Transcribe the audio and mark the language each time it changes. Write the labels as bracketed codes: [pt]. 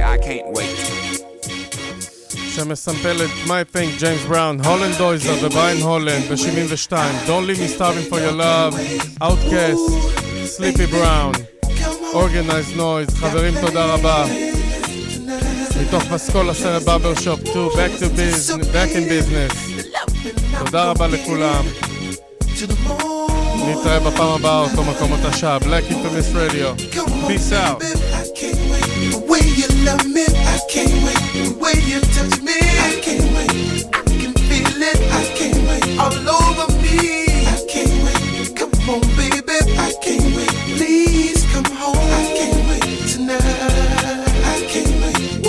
[en] I can't wait. [he] שמסמפל את My Thing, James Brown, הולנד דויזר ובריאן הולנד ב-72, Don't Leave Me Starving For Your Love, Outkast, Sleepy Brown, Organized Noise. חברים, תודה רבה. מתוך פסקול הסרט Bubble Shop 2, Back to Business, Back in Business. תודה רבה לכולם. נתראה בפעם הבאה אותו מקום אותה שעה. [en] Black Infamous Radio. Peace out. The way you love me, I can't wait. The way you touch me, I can't wait. I can feel it, I can't wait. All over me, I can't wait. Come on, baby, I can't wait. Please come home, I can't wait. Tonight, I can't wait.